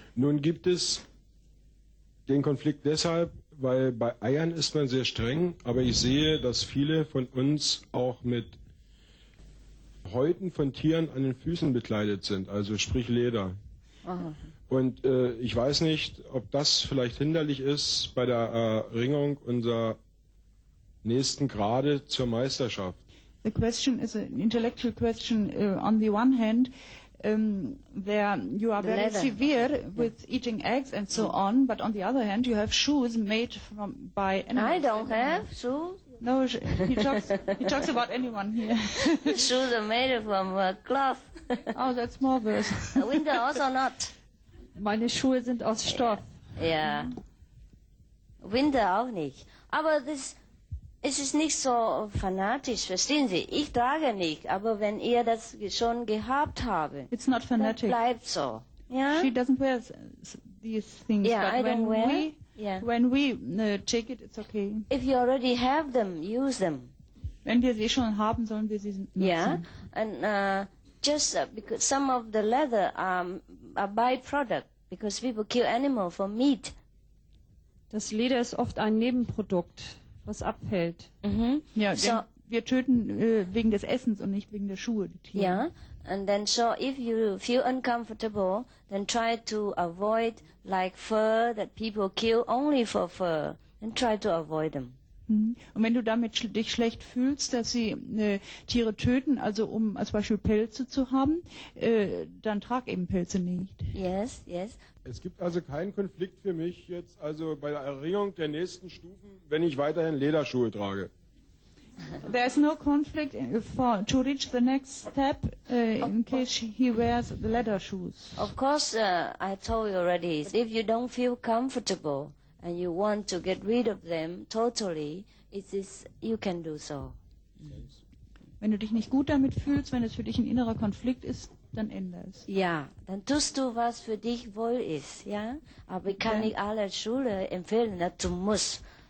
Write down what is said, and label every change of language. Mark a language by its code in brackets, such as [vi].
[de] Nun gibt es den Konflikt deshalb, weil bei Eiern ist man sehr streng, aber ich sehe, dass viele von uns auch mit Häuten von Tieren an den Füßen bekleidet sind, also sprich Leder. Aha. Und ich weiß nicht, ob das vielleicht hinderlich ist bei der Erringung unserer nächsten Grade zur Meisterschaft. [en] The question is an intellectual question. On the one hand, there you are very severe with eating eggs and so on, but on the other hand, you have shoes made from by animals. I don't have shoes. No, he talks about anyone here. His shoes are made from cloth. Oh, that's more worse. A winter also not. [de] Meine Schuhe sind aus Stoff. Ja. Winter auch nicht. Aber das, es ist nicht so fanatisch, verstehen Sie? Ich trage nicht, aber wenn ihr das schon gehabt habe, [en] it's not fanatic. [de] Dann bleibt so. Ja? [en] She doesn't wear these things. Yeah, but I don't wear. Yeah. When we take it, it's okay. If you already have them, use them. [de] Wenn wir sie schon haben, sollen wir sie nutzen. [en] Yeah, and just because some of the leather are byproduct, because people kill animal for meat. [de] Das Leder ist oft ein Nebenprodukt, was abfällt. Ja, so, wir töten wegen des Essens und nicht wegen der Schuhe, die Tiere. [en] Yeah, and then so if you feel uncomfortable, then try to avoid like fur that people kill only for fur, and try to avoid them. [de] Und wenn du damit dich schlecht fühlst, dass sie Tiere töten, also um als Beispiel Pelze zu haben, dann trag eben Pelze nicht. [en] Yes, yes. [de] Es gibt also keinen Konflikt für mich jetzt, also bei der Erringung der nächsten Stufen, wenn ich weiterhin Lederschuhe trage. [en] There is no conflict to reach the next step in case he wears the leather shoes. Of course, I told you already, if you don't feel comfortable and you want to get rid of them totally, it is, you can do so. [de] Wenn du dich nicht gut damit fühlst, wenn es für dich ein innerer Konflikt ist, dann ändere es. Ja, dann tust du, was für dich wohl ist, ja? Aber ich kann nicht alle Schule empfehlen, dass du musst.